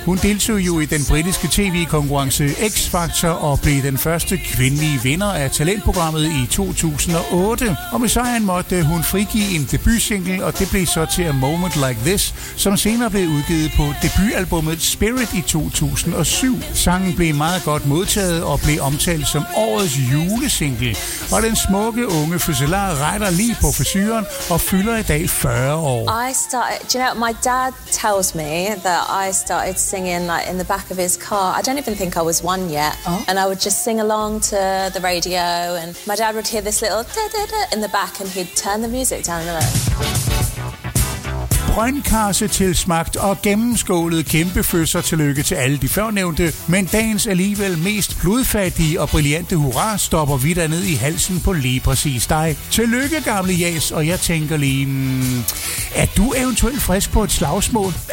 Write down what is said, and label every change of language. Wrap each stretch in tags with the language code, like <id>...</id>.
<da>Hun deltog jo i den britiske tv-konkurrence X Factor og blev den første kvindelige vinder af talentprogrammet i 2008, og med sejren måtte hun frigive en debutsingle, og det blev så til A Moment Like This, som senere blev udgivet på debutalbummet Spirit i 2007. Sangen blev meget godt modtaget og blev omtalt som årets julesingle, og den smukke unge fødselar retter lige på frisyren og fylder i dag 40 år.</da> <en>My dad tells me that I started singing like in the back of his car. I don't even think I was one yet. Oh? And I would just sing along to the radio and my dad would hear this little da-da-da in the back and he'd turn the</en> <da>Brøndkarse tilsmagt og gennemskålet kæmpe fødsel tillykke til alle de førnævnte, men dagens alligevel mest blodfattige og brillante hurra stopper vi ned i halsen på lige præcis dig. Tillykke, gamle Jas, og jeg tænker lige, er du eventuelt frisk på et slagsmål?</da>